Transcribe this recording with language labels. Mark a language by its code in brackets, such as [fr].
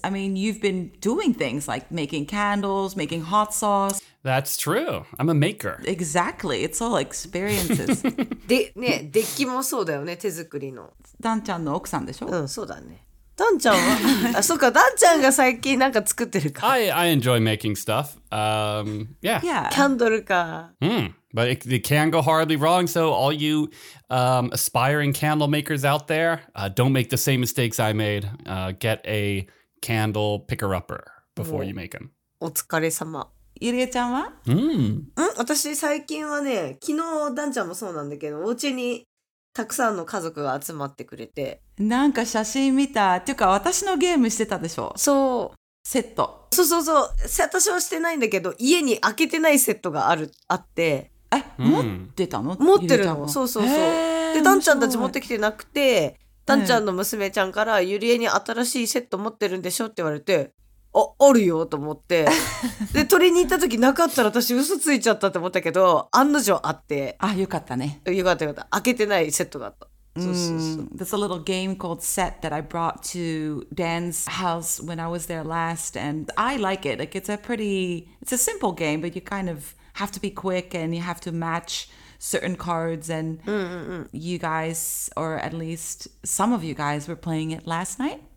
[en] I mean, you've been doing things like making candles, making hot sauce. That's true. I'm a maker. Exactly. It's all experiences. [ja] で、ね、デッキもそうだよね、手作りの。ダンちゃんの奥さんでしょ？うん、そうだね。ダンちゃんは、あ、そうか、ダンちゃんが最近なんか作ってるか。 [en] I enjoy making stuff. Yeah. Yeah. [ja] キャンドルか。うん。 [en] But it can go horribly wrong, so all you aspiring candle makers out there, don't make the same mistakes I made. Get a candle picker-upper before you make them. [ja] お疲れ様。ゆりえちゃんは？うん。うん？私最近はね、昨日ダンちゃんもそうなんだけど、お家にたくさんの家族が集まってくれて。なんか写真見た。っていうか私のゲームしてたでしょ。そう。セット。そうそうそう。私はしてないんだけど、家に開けてないセットがあって。え、持ってたの？持ってるの。そうそうそう。で、ダンちゃんたち持ってきてなくて、ダンちゃんの娘ちゃんから、ゆりえに新しいセット持ってるんでしょって言われて、あるよと思って。で、取りに行った時なかったら私嘘ついちゃったって思ったけど、案の定あって。あ、よかったね。よかったよかった。開けてないセットがあった。 [en] There's a little game called Set that I brought to Dan's house when I was there last, and I like it. Like, it's a simple game, but you kind of have to be quick and you have to match certain cards. And you guys, or at least some of you guys, were playing it last night.